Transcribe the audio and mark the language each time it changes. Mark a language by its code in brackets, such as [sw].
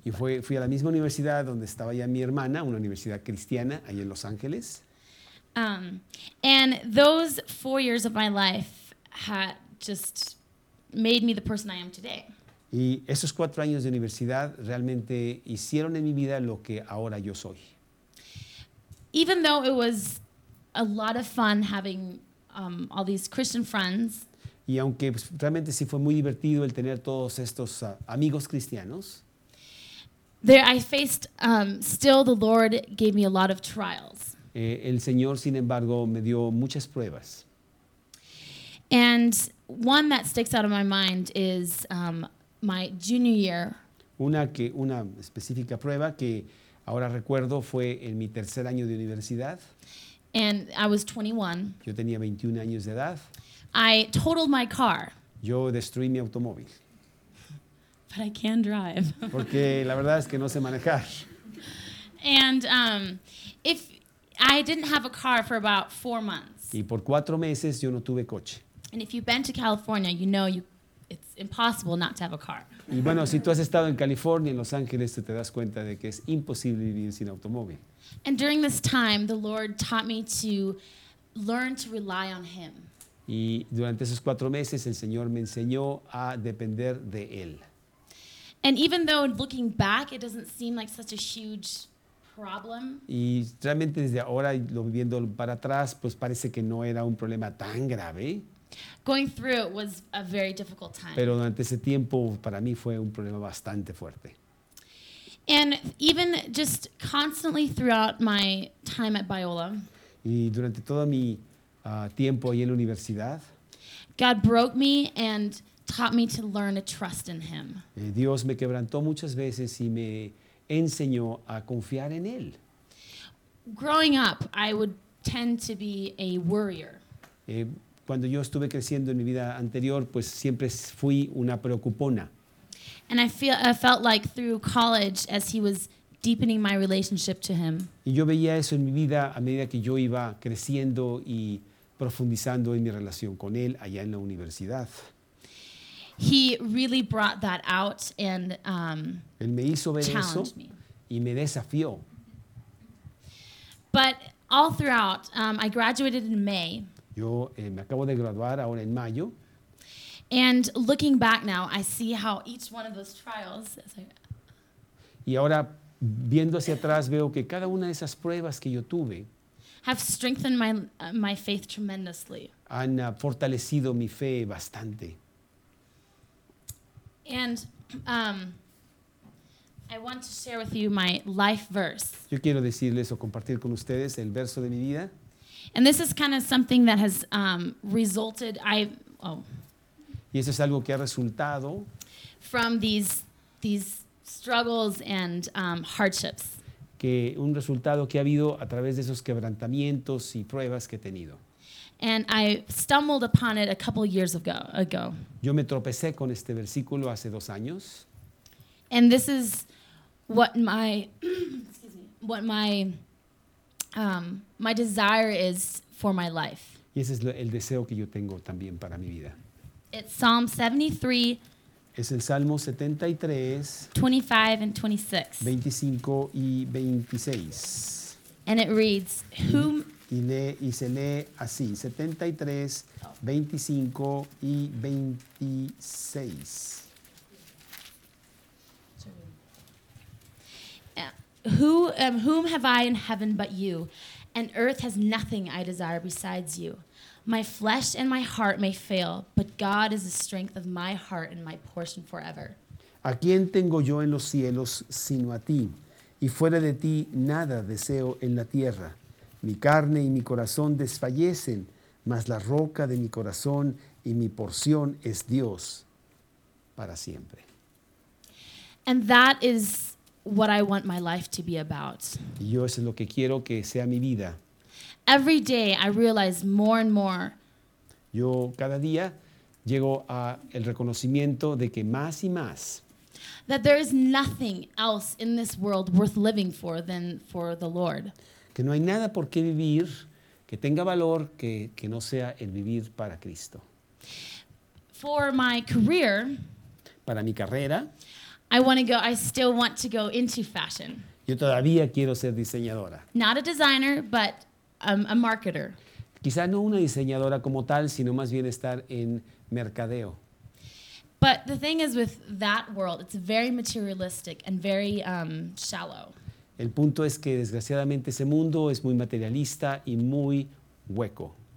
[es] Y fui a la misma universidad donde estaba ya mi hermana, una universidad cristiana, ahí en Los Ángeles. [en] And those 4 years of my life had just made me the person I am today. [es] Y esos 4 años de universidad realmente hicieron en mi vida lo que ahora yo soy. [en] Even though it was a lot of fun having all these Christian friends. [es] Y aunque pues, realmente sí fue muy divertido el tener todos estos amigos cristianos. [en] There I faced still the Lord gave me a lot of trials. [es] El Señor sin embargo me dio muchas pruebas. [en] And one that sticks out of my mind is my junior year. [es] Una específica prueba que ahora recuerdo fue en mi tercer año de universidad. [en] And I was 21. [es] Yo tenía 21 años de edad. [en] I totaled my car. [es] Yo destruí mi automóvil. [en] But I can drive. [es] Porque la verdad es que no sé manejar. [en] And if I didn't have a car for about 4 months. [es] Y por 4 meses yo no tuve coche. [en] And if you've been to California, you know it's impossible not to have a car. [es] Y bueno, si tú has estado en California, en Los Ángeles, te das cuenta de que es imposible vivir sin automóvil. [en] And during this time, the Lord taught me to learn to rely on Him. [es] Y durante esos 4 meses, el Señor me enseñó a depender de Él. [en] And even though looking back, it doesn't seem like such a huge problem. [es] Y realmente desde ahora, lo viendo para atrás, pues parece que no era un problema tan grave. [en] Going through it was a very difficult time. [es] Pero durante ese tiempo para mí fue un problema bastante fuerte. [en] And even just constantly throughout my time at Biola. [es] Y durante todo mi tiempo ahí en la universidad. [en] God broke me and taught me to learn to trust in Him. [es] Dios me quebrantó muchas veces y me enseñó a confiar en Él. [en] Growing up, I would tend to be a worrier. [es] Cuando yo estuve creciendo en mi vida anterior, pues siempre fui una preocupona. [en] And I felt like through college, as He was deepening my relationship to Him. [es] Y yo veía eso en mi vida a medida que yo iba creciendo y profundizando en mi relación con Él allá en la universidad. [en] He really brought that out and [es] Él me hizo ver eso y me desafió. [en] But all throughout, I graduated in May. [es] Yo me acabo de graduar ahora en mayo. [en] And looking back now, I see how each one of those trials. [es] Y ahora viendo hacia atrás veo que cada una de esas pruebas que yo tuve [en] have strengthened my faith tremendously. [es] Han fortalecido mi fe bastante. [en] And I want to share with you my life verse. [es] Yo quiero decirles o compartir con ustedes el verso de mi vida. [en] And this is kind of something that has resulted. [es] Y eso es algo que ha resultado [en] from these struggles and hardships. [es] Que un resultado que ha habido a través de esos quebrantamientos y pruebas que he tenido. [en] And I stumbled upon it a couple years ago. [es] Yo me tropecé con este versículo hace 2 años. [en] And this is what my excuse me, what my desire is for my life. [es] Y ese es el deseo que yo tengo también para mi vida. [en] It's Psalm 73. [es] Es el Salmo 73. [en] 25 and 26. [es] 25 y 26. [en] And it reads, whom [es] y se lee así, 73, 25 y 26. [en] Whom have I in heaven but you? And earth has nothing I desire besides you. My flesh and my heart may fail, but God is the strength of my heart and my portion forever. [es] ¿A quién tengo yo en los cielos sino a ti? Y fuera de ti nada deseo en la tierra. Mi carne y mi corazón desfallecen, mas la roca de mi corazón y mi porción es Dios para siempre. [en] And that is what I want my life to be about. [es] Y yo eso es lo que quiero que sea mi vida. [en] Every day I realize more and more. [es] Yo cada día llego a el reconocimiento de que más y más. [en] That there is nothing else in this world worth living for than for the Lord. [es] Que no hay nada por qué vivir que tenga valor que no sea el vivir para Cristo. [en] For my career. [es] Para mi carrera. [en] I still want to go into fashion. [es] Yo todavía quiero ser diseñadora. [en] Not a designer, but a marketer. [es] Quizá no una diseñadora como tal, sino más bien estar en mercadeo. [en] But the thing is with that world, it's very materialistic and very shallow. [es] El punto es que desgraciadamente ese mundo es muy materialista y muy hueco.